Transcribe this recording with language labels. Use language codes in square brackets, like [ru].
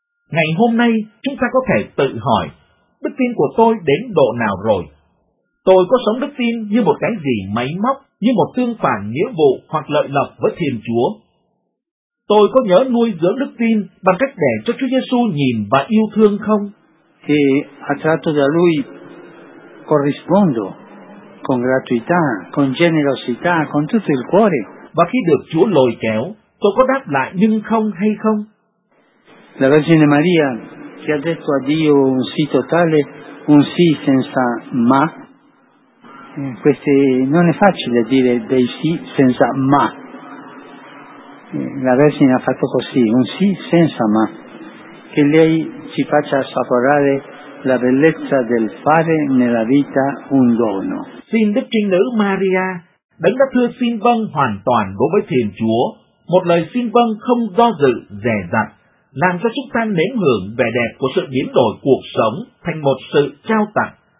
[vi] Ngày hôm nay, chúng ta có thể tự hỏi, đức tin của tôi đến độ nào rồi? Tôi có sống đức tin như một cái gì máy móc, như một tương phản nghĩa vụ hoặc lợi lộc với Thiên Chúa? Tôi có nhớ nuôi dưỡng đức tin bằng cách để cho Chúa Giêsu nhìn và yêu thương không? [it] Thì a tratto da lui corrispondo con gratuità, con generosità, con tutto il cuore. [vi] Và khi được Chúa lôi kéo, tôi có đáp lại nhưng không hay không? [it] La Vergine Maria che ha detto a Dio un sì totale, un sì senza ma. Questo non è facile dire dei sì senza ma. La Vergine ha fatto così, un sì senza ma. Che lei ci faccia assaporare la bellezza del fare nella vita un dono. [vi] Xin Đức Trinh Nữ Maria, đấng đã thưa xin vâng hoàn toàn đối với Thiên Chúa, một lời xin vâng không do dự, dè dặt, làm cho chúng ta nếm hưởng vẻ đẹp của sự biến đổi cuộc sống thành một sự trao tặng.